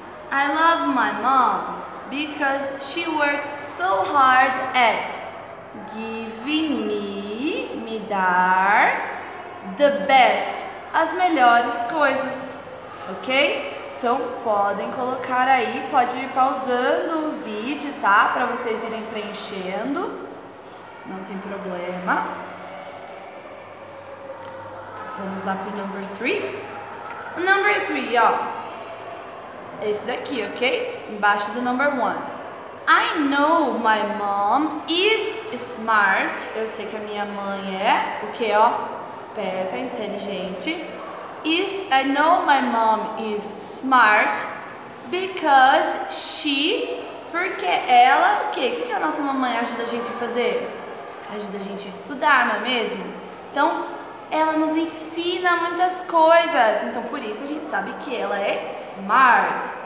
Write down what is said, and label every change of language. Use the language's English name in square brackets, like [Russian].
[English] I love my mom because she works so hard at giving me [Portuguese] dar [English] the best, [Portuguese] as melhores coisas, [English] ok? [Portuguese] Então podem colocar aí, pode ir pausando o vídeo, tá? Para vocês irem preenchendo, não tem problema. Vamos lá pro number three. Number three, ó. Esse daqui, ok? Embaixo do [English] number one. I know my mom is smart. [Portuguese] Eu sei que a minha mãe é o quê, ó? Esperta, inteligente. [English] I know my mom is smart because she... [Portuguese] Porque ela, o quê? O que a nossa mamãe ajuda a gente a fazer? Ajuda a gente a estudar, não é mesmo? Então, ela nos ensina muitas coisas. Então, por isso a gente sabe que ela é smart.